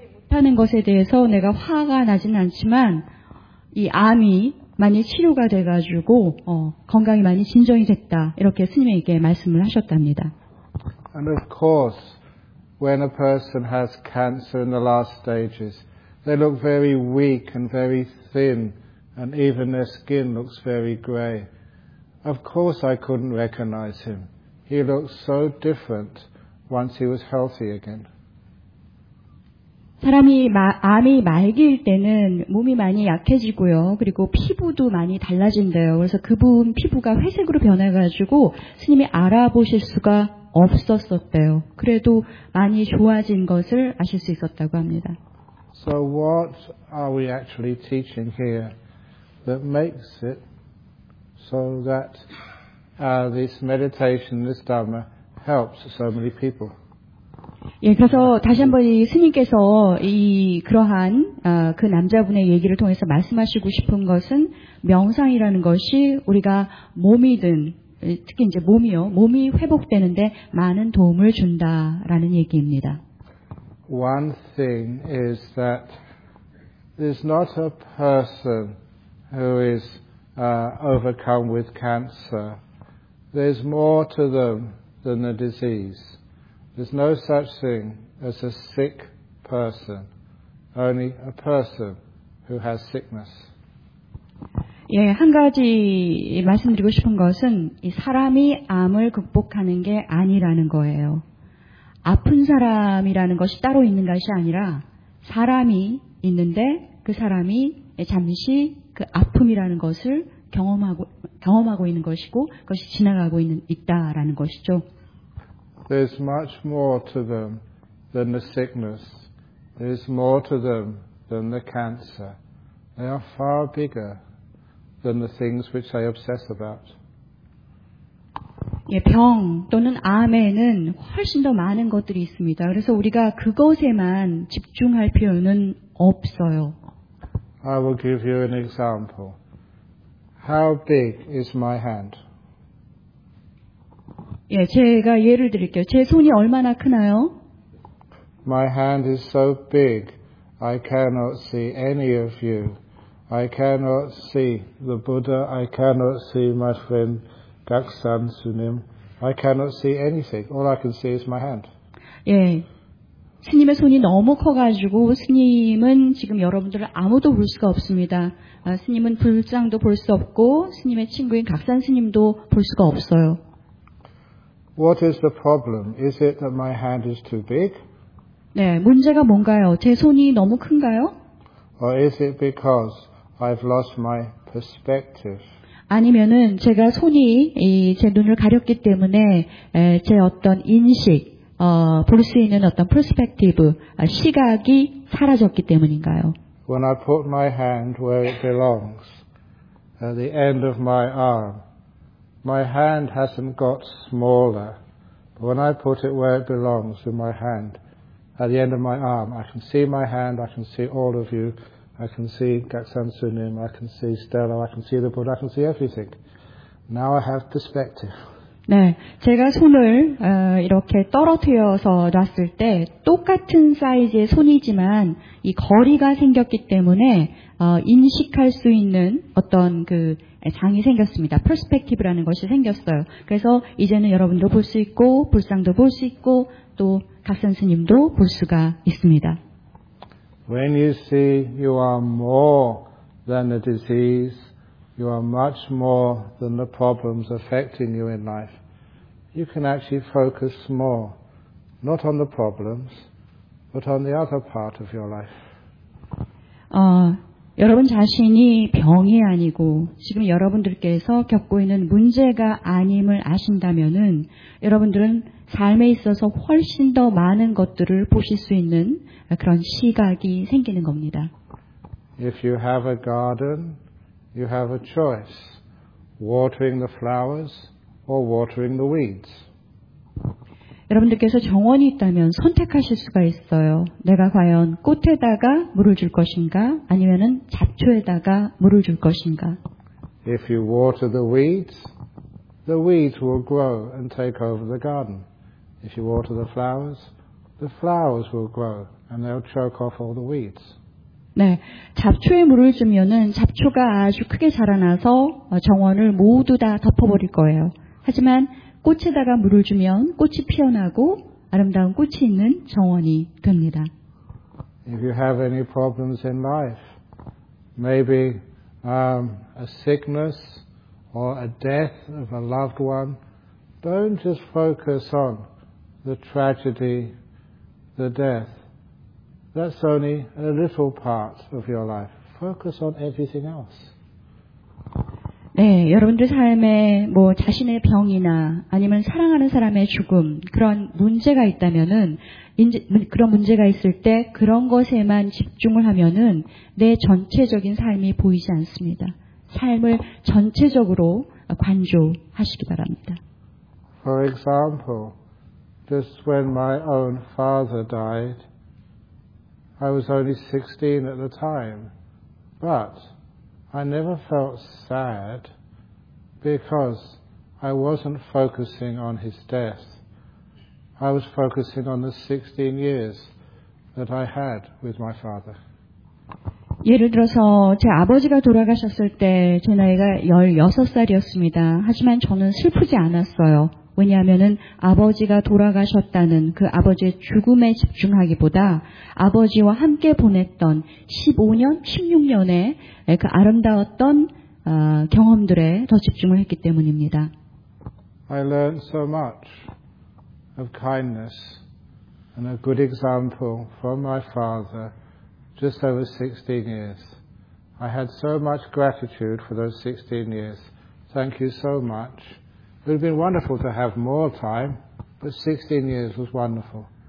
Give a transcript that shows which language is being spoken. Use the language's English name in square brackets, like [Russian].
[Korean] 하는 것에 대해서 내가 화가 나지는 않지만 이 암이 많이 치료가 돼가지고 건강이 많이 진정이 됐다 이렇게 스님에게 말씀을 하셨답니다. [English] And of course, when a person has cancer in the last stages, they look very weak and very thin, and even their skin looks very grey. Of course, I couldn't recognize him. He looked so different once he was healthy again. [Korean] 사람이 암이 말기일 때는 몸이 많이 약해지고요. 그리고 피부도 많이 달라진대요. 그래서 그분 피부가 회색으로 변해가지고 스님이 알아보실 수가 없었었대요. 그래도 많이 좋아진 것을 아실 수 있었다고 합니다. [English] So what are we actually teaching here that makes it so that this meditation, this Dhamma helps so many people? [Korean] 예, 그래서 다시 한번 이 스님께서 이 그러한 그 남자분의 얘기를 통해서 말씀하시고 싶은 것은 명상이라는 것이 우리가 몸이든 특히 이제 몸이요 몸이 회복되는데 많은 도움을 준다라는 얘기입니다. [English] One thing is that there's not a person who is overcome with cancer. There's more to them than the disease. There's no such thing as a sick person, only a person who has sickness. [Korean] 예, 한 가지 말씀드리고 싶은 것은 이 사람이 암을 극복하는 게 아니라는 거예요. 아픈 사람이라는 것이 따로 있는 것이 아니라 사람이 있는데 그 사람이 잠시 그 아픔이라는 것을 경험하고 있는 것이고 그것이 지나가고 있다라는 것이죠. [English] There's much more to them than the sickness. There's more to them than the cancer. They are far bigger than the things which they obsess about. [Korean] 예, 병 또는 암에는 훨씬 더 많은 것들이 있습니다. 그래서 우리가 그것에만 집중할 필요는 없어요. [English] I will give you an example. How big is my hand? [Korean] 예, 제가 예를 드릴게요. 제 손이 얼마나 크나요? [English] My hand is so big, I cannot see any of you. I cannot see the Buddha. I cannot see my friend Gaksan Sunim. I cannot see anything. All I can see is my hand. [Korean] 예, 스님의 손이 너무 커가지고 스님은 지금 여러분들을 아무도 볼 수가 없습니다. 스님은 불상도 볼 수 없고 스님의 친구인 각산 스님도 볼 수가 없어요. [English] What is the problem? Is it that my hand is too big? [Korean] 네, 문제가 뭔가요? 제 손이 너무 큰가요? [English] Or is it because I've lost my perspective? [Korean] 아니면은 제가 손이 제 눈을 가렸기 때문에 제 어떤 인식, 볼 수 있는 어떤 perspective, 시각이 사라졌기 때문인가요? [English] When I put my hand where it belongs, at the end of my arm, my hand hasn't got smaller. But when I put it where it belongs, in my hand, at the end of my arm, I can see my hand, I can see all of you, I can see Gaksan Sunim, I can see Stella, I can see the Buddha, I can see everything. Now I have perspective. [Korean] 네, 제가 손을 이렇게 떨어뜨려서 놨을 때 똑같은 사이즈의 손이지만 이 거리가 생겼기 때문에 인식할 수 있는 어떤 그 장이 생겼습니다. 퍼스펙티브라는 것이 생겼어요. 그래서 이제는 여러분도 볼 수 있고 불상도 볼 수 있고 또 각선 스님도 볼 수가 있습니다. [English] When you see you are more than a disease, you are much more than the problems affecting you in life. You can actually focus more, not on the problems, but on the other part of your life. [Korean] 여러분 자신이 병이 아니고 지금 여러분들께서 겪고 있는 문제가 아님을 아신다면은 여러분들은 삶에 있어서 훨씬 더 많은 것들을 보실 수 있는 그런 시각이 생기는 겁니다. [English] If you have a garden, you have a choice: watering the flowers or watering the weeds. [Korean] 여러분들께서 정원이 있다면 선택하실 수가 있어요. 내가 과연 꽃에다가 물을 줄 것인가 아니면은 잡초에다가 물을 줄 것인가? [English] If you water the weeds will grow and take over the garden. If you water the flowers will grow and they'll choke off all the weeds. [Korean] 네, 잡초에 물을 주면은 잡초가 아주 크게 자라나서 정원을 모두 다 덮어버릴 거예요. 하지만 꽃에다가 물을 주면 꽃이 피어나고 아름다운 꽃이 있는 정원이 됩니다. [English] If you have any problems in life, maybe a sickness or a death of a loved one, don't just focus on the tragedy, the death. That's only a little part of your life. Focus on everything else. [Korean] 네, 여러분들 삶에 뭐 자신의 병이나 아니면 사랑하는 사람의 죽음 그런 문제가 있다면은 그런 문제가 있을 때 그런 것에만 집중을 하면은 내 전체적인 삶이 보이지 않습니다. 삶을 전체적으로 관조하시기 바랍니다. [English] For example, just when my own father died. I was only 16 at the time, but I never felt sad because I wasn't focusing on his death. I was focusing on the 16 years that I had with my father. [Korean] 예를 들어서 제 아버지가 돌아가셨을 때 제 나이가 16살이었습니다. 하지만 저는 슬프지 않았어요. 왜냐하면은 아버지가 돌아가셨다는 그 아버지의 죽음에 집중하기보다 아버지와 함께 보냈던 15년, 16년의 그 아름다웠던 경험들에 더 집중을 했기 때문입니다. [English] I learned so much of kindness and a good example from my father just over 16 years. I had so much gratitude for those 16 years. Thank you so much. It would have been wonderful to have more time, but 16 years was wonderful.